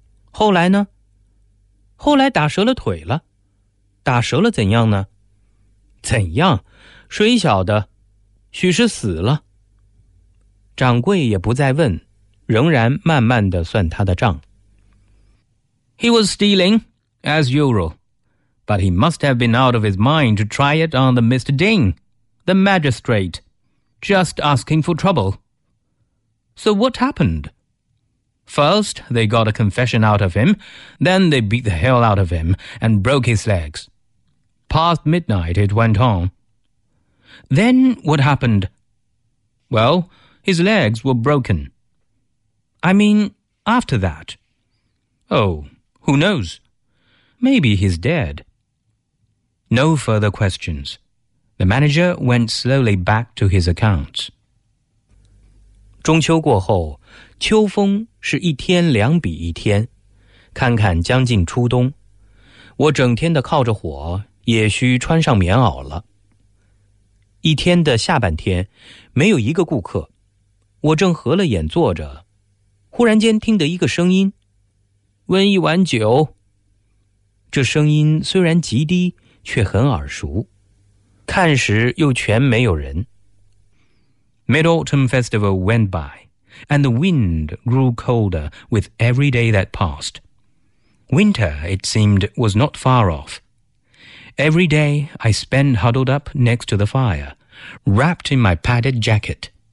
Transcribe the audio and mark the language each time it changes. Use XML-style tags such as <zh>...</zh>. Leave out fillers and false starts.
<zh>后来呢？后来打折了腿了。打折了怎样呢？怎样？谁晓得？许是死了。掌柜也不再问，仍然慢慢地算他的账。</zh> <en>He was stealing, as usual. But he must have been out of his mind to try it on the Mr. Ding. The magistrate, just asking for trouble. So what happened? First, they got a confession out of him, then they beat the hell out of him and broke his legs. Past midnight, it went on. Then what happened? Well, his legs were broken. I mean, after that. Oh, who knows? Maybe he's dead. No further questions. The manager went slowly back to his accounts.</en> <zh>中秋过后，秋风是一天两笔一天，看看将近初冬，我整天的靠着火，也需穿上棉袄了。一天的下半天，没有一个顾客，我正合了眼坐着，忽然间听得一个声音，温一碗酒。这声音虽然极低，却很耳熟。看时又全没有人。</zh> <en>Mid-Autumn Festival went by, and the wind grew colder with every day that passed. Winter, it seemed, was not far off. Every day I spent huddled up next to the fire, wrapped in my padded jacket.</en>